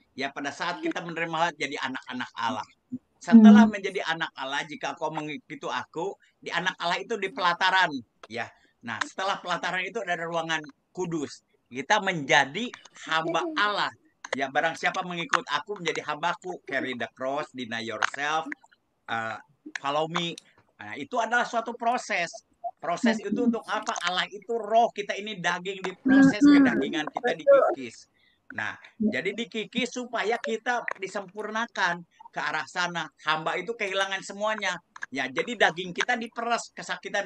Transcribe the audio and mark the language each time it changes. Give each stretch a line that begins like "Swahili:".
Indonesian: Ya pada saat kita menerima Allah, jadi anak-anak Allah. Setelah menjadi anak Allah, jika kau mengikuti aku, di anak Allah itu di pelataran. Ya. Nah setelah pelataran itu ada ruangan kudus. Kita menjadi hamba Allah. Ya barang siapa mengikut aku menjadi hambaku.
English: Carry the cross, deny yourself, follow me.
Indonesian: Nah, itu adalah suatu proses. Proses itu untuk apa? Allah itu roh, kita ini daging, diproses ke dagingan kita dikikis. Nah, jadi dikikis supaya kita disempurnakan ke arah sana. Hamba itu kehilangan semuanya. Ya, jadi daging kita diperas kesakitan.